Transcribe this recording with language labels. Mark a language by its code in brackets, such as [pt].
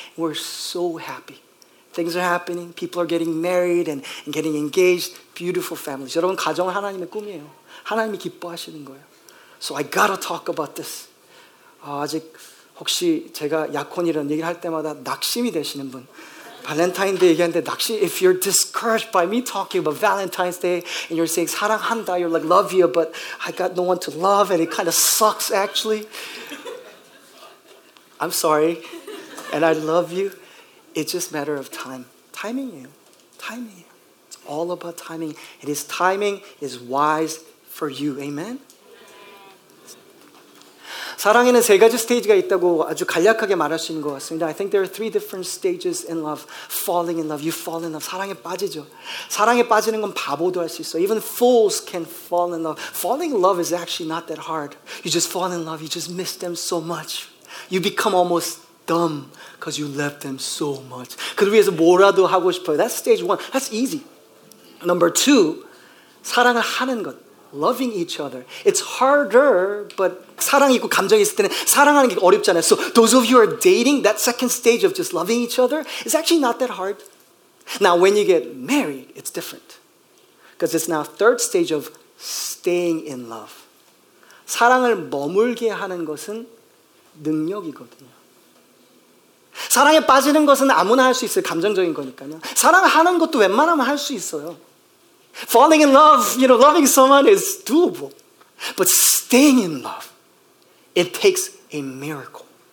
[en] We're so happy. Things are happening. People are getting married and getting engaged. Beautiful families. [ko] 여러분, 가정은 하나님의 꿈이에요. 하나님이 기뻐하시는 거예요. [en] So I gotta talk about this. [ko] 아직 혹시 제가 약혼이라는 얘기를 할 때마다 낙심이 되시는 분. [en] Valentine's Day [ko] 얘기하는데 낙심, [en] if you're discouraged by me talking about Valentine's Day and you're saying [ko] 사랑한다, [en] you're like love you, but I got no one to love and it kind of sucks actually. I'm sorry. And I love you. It's just a matter of time. Timing. It's all about timing. And his timing is wise for you. Amen? [ko] 사랑에는 세 가지 스테이지가 있다고 아주 간략하게 말할 수 있는 것 같습니다. [en] I think there are three different stages in love. Falling in love. You fall in love. [ko] 사랑에 빠지죠. 사랑에 빠지는 건 바보도 할 수 있어요. [en] Even fools can fall in love. Falling in love is actually not that hard. You just fall in love. You just miss them so much. You become almost dumb because you love them so much. [ko] 그를 위해서 뭐라도 하고 싶어요. [en] That's stage one. That's easy. Number two, [ko] 사랑을 하는 것. [en] loving each other. It's harder, but [ko] 사랑이 있고 감정이 있을 때는 사랑하는 게 어렵잖아요. [en] So those of you who are dating, that second stage of just loving each other is actually not that hard. Now, when you get married, it's different. Because it's now third stage of staying in love. [ko] 사랑을 머물게 하는 것은 능력이거든요. 사랑에 빠지는 것은 아무나 할 수 있어요. 감정적인 거니까요. 사랑하는 것도 웬만하면 할 수 있어요. [en] Falling in love, you know, loving someone is doable. But staying in love, it takes a miracle.